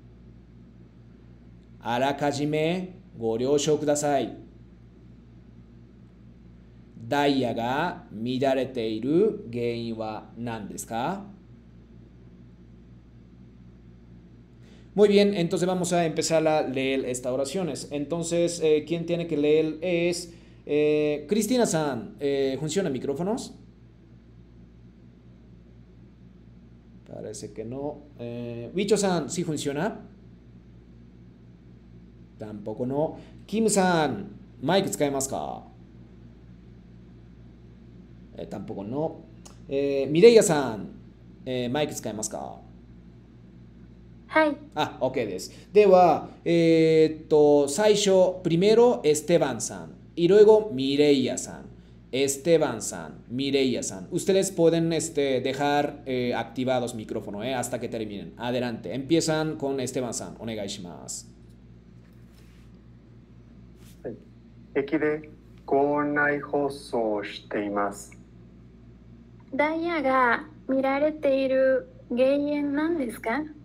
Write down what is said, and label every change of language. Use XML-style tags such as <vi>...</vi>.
<ja>今朝お茶の水駅に起きまして人身事故が発生しダイヤが乱れております。お急ぎのところお客様にご迷惑をおかけして申し訳ございません。あらかじめご了承ください。ダイヤが乱れている原因は何ですか？</ja> <es>Muy bien, entonces vamos a empezar a leer estas oraciones. Entonces, quien tiene que leer es Cristina-san. ¿Funciona micrófonos? Parece que no. Bicho-san, ¿sí funciona? Tampoco no. Kim-san,</es> <ja>¿Mike tsukaemasu ka?</ja> <es>Tampoco no. Mireya-san,</es> <ja>¿Mike tsukaemasu ka? はい。あ、OK です。では、最初、primero、エステバンさん。</ja> <es>y luego、ミレイヤさん。エステバンさん、ミレイヤさん。 ustedes pueden dejar activados micrófono, hasta que terminen. adelante. empiezan con エステバンさん。</es> <ja>お願いします。はい。駅で校内放送をしています。ダイヤが見られている原因なんですか？</ja>